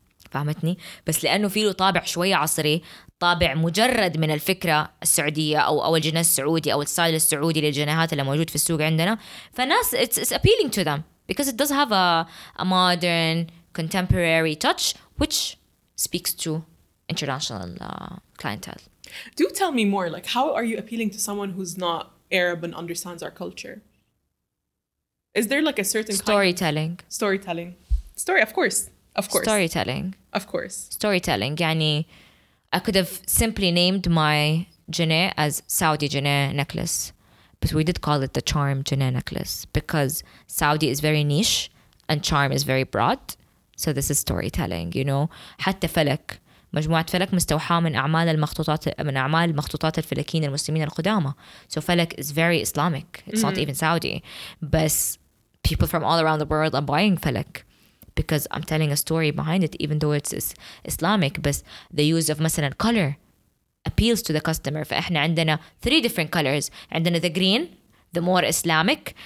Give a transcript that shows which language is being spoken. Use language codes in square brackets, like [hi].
[ar] فهمتني؟ بس لأنه فيه طابع شوية عصري, طابع مجرد من الفكرة السعودية أو الجنيه السعودي أو الستايل السعودي للجنيهات اللي موجود في السوق عندنا. فالناس [en] it's appealing to them because it does have a modern contemporary touch which speaks to international clientele. Do tell me more, like, how are you appealing to someone who's not Arab and understands our culture? Is there like a certain storytelling kind of storytelling story? Of course storytelling, of course storytelling. [ar] يعني [en] I could have simply named my جنيه as Saudi جنيه necklace, but we did call it the charm جنيه necklace because Saudi is very niche and charm is very broad. So this is storytelling, you know. [ar] حتى فلك, مجموعة فلك مستوحاة من أعمال المخطوطات الفلكيين المسلمين القدامى. [en] So فلك is very Islamic. It's not even Saudi. But people from all around the world are buying فلك because I'm telling a story behind it, even though it's Islamic. But the use of مثلا color appeals to the customer. [ar] فإحنا عندنا [en] three different colors. عندنا the green, the more Islamic.